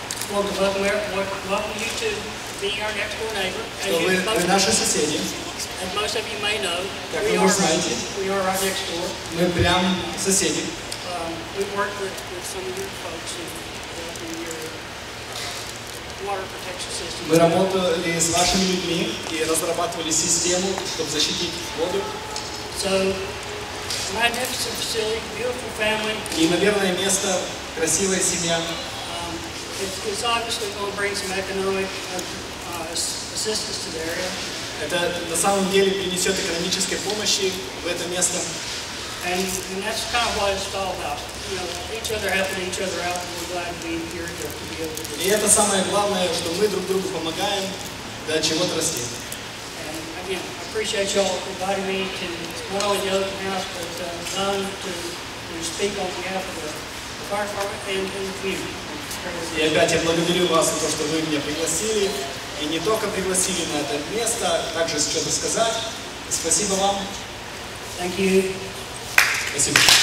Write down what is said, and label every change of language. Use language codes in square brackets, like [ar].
[en] Welcome you to be our next door neighbor. [ru] Вы наши соседи. [en] As most of you may know, we are our next door. [ru] Мы прям соседи. [en] We've worked with some of your folks in your water protection system. [ru] Мы работали с вашими людьми и разрабатывали систему, чтобы защитить воду. [en] So, magnificent facility, beautiful family. [ru] И, наверное, место, красивая семья. [en] It's obviously going to bring some economic assistance to the area. [ru] Это на самом деле принесет экономической помощи в это место. [en] And that's kind of what it's all about. You know, each other helping each other out, and we're glad to be here to be able to do [ru] it. И это самое главное, что мы друг другу помогаем до чего-то расти. [en] Yeah, I appreciate y'all inviting me to not only the open house, but to speak on behalf of the fire department and the community. [ru] И опять я благодарю вас за то, что вы меня пригласили, и не только пригласили на это место, также что-то сказать. Спасибо вам. [en] Thank you. [ru] Спасибо.